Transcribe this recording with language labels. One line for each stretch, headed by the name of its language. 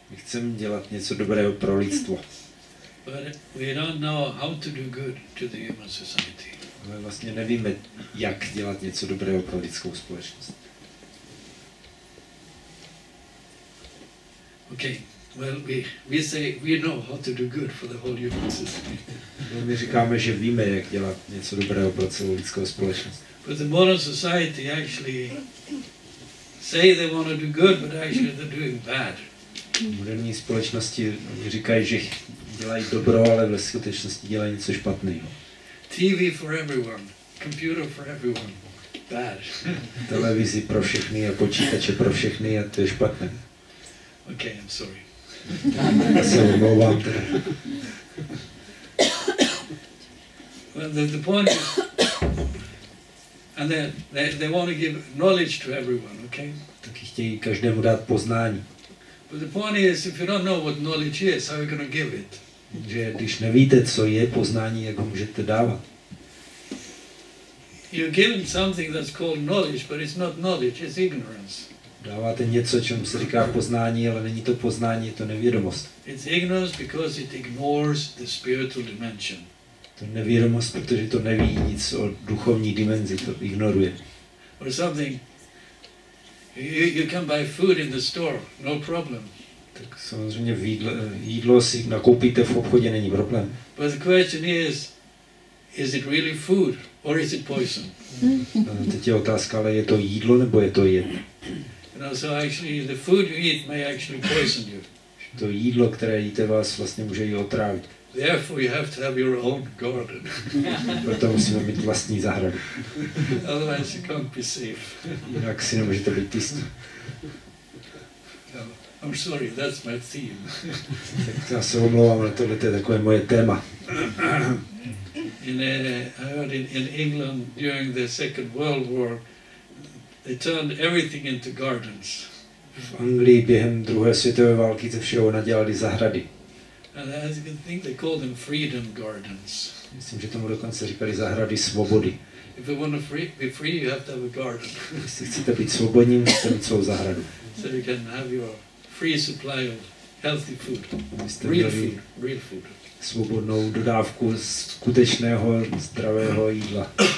Czech: My chceme dělat něco dobrého pro lidstvo.
English: But we don't know how to do good to the human society.
Czech: Ale vlastně nevíme, jak dělat něco dobrého pro lidskou společnost.
English: Okay, well we say we know how to do good for the whole human society.
Czech: My říkáme, že víme, jak dělat něco dobrého pro celou lidskou společnost.
English: But the modern society actually say they want to do good, but actually they're doing bad.
Czech: Moderní společnosti říkají, že dělají dobro, ale ve skutečnosti dělají něco špatného.
English: TV for everyone, computer for everyone, bad.
Czech: Televizi pro všechny a počítače pro všechny a to je špatné.
English: Okay, I'm sorry.
Czech: Já se omlouvám.
English: the point is, and they want to give knowledge to everyone, okay?
Czech: Taky chtějí každému dát poznání.
English: But the point is, if you don't know what knowledge is, how are you going to give it?
Czech: Že když nevíte, co je poznání, jak ho můžete dávat?
English: You're given something that's called knowledge, but it's not knowledge, it's ignorance.
Czech: Dáváte něco, čemu se říká poznání, ale není to poznání, je to nevědomost.
English: It's ignorance because it ignores the spiritual dimension.
Czech: To je nevědomost, protože to neví nic o duchovní dimenzi, to ignoruje.
English: Or something. You can buy food in the store, no problem.
Czech: Tak samozřejmě jídlo si nakoupíte v obchodě, není problém.
English: But the question is it really food or is it poison?
Czech: Teď je otázka, ale je to jídlo nebo je to jed?
English: No, so actually the food you eat may actually poison you.
Czech: To jídlo, které jíte, vás vlastně může i otrávit.
English: Therefore you have to have your own garden.
Czech: Proto musíme mít vlastní zahradu.
English: Otherwise you can't be safe.
Czech: Jinak si nemůžete být jistý.
English: I'm sorry, that's my theme.
Czech: Tak já se omlouvám, ale tohle je takové moje téma.
English: In England during the Second World War, they turned everything into gardens.
Czech: V Anglii během druhé světové války ze všeho nadělali zahrady.
English: And I think they called them freedom gardens.
Czech: Myslím, že tomu dokonce říkali zahrady svobody.
English: If you want to be free, you have to have a garden.
Czech: Jestli chcete být svobodní, musíte mít svou zahradu.
English: So you can have your free supply of healthy food. Real food.
Czech: Svobodnou dodávku skutečného zdravého jídla.